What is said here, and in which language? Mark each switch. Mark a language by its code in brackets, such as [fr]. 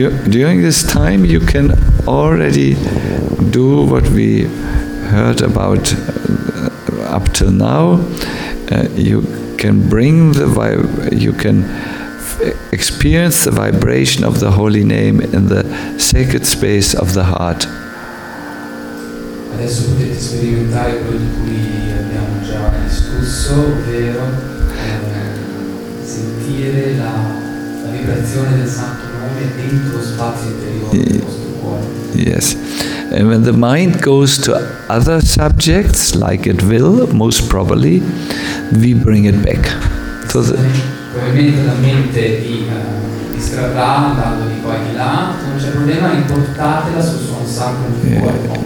[en] During this time you can already do what we heard about up till now. You can bring the vibe, you can experience the vibration of the holy name in the sacred space of the heart. [it] Adesso potete sperimentare quello di cui abbiamo già discusso, ovvero sentire la vibrazione del santo nome dentro lo spazio interiore del vostro cuore. [en] Yes. And when the mind goes to other subjects, like it will, most probably, we bring it back. [it] So probabilmente la mente vi distrarrà andando di qua e di là, non c'è problema, riportatela sul suo sacro cuore.